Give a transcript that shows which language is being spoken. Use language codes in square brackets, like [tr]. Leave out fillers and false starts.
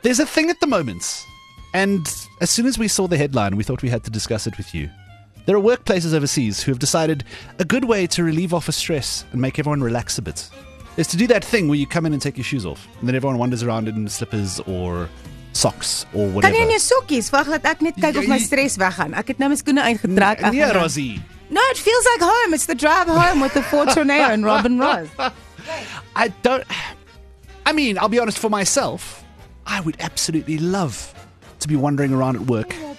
[en] There's a thing at the moment, and as soon as we saw the headline, we thought we had to discuss it with you. There are workplaces overseas who have decided a good way to relieve office stress and make everyone relax a bit is to do that thing where you come in and take your shoes off, and then everyone wanders around in slippers or socks or whatever. [af] Kan jy nie sokkies vaag dat ek net kyk of my stres weggaan? Ek het nou my skoene uitgetrek. Nee, Rosie. [en] No, it feels like home. It's the drive home with the Fortuner and Robin Ross. I'll be honest, for myself, I would absolutely love to be wandering around at work.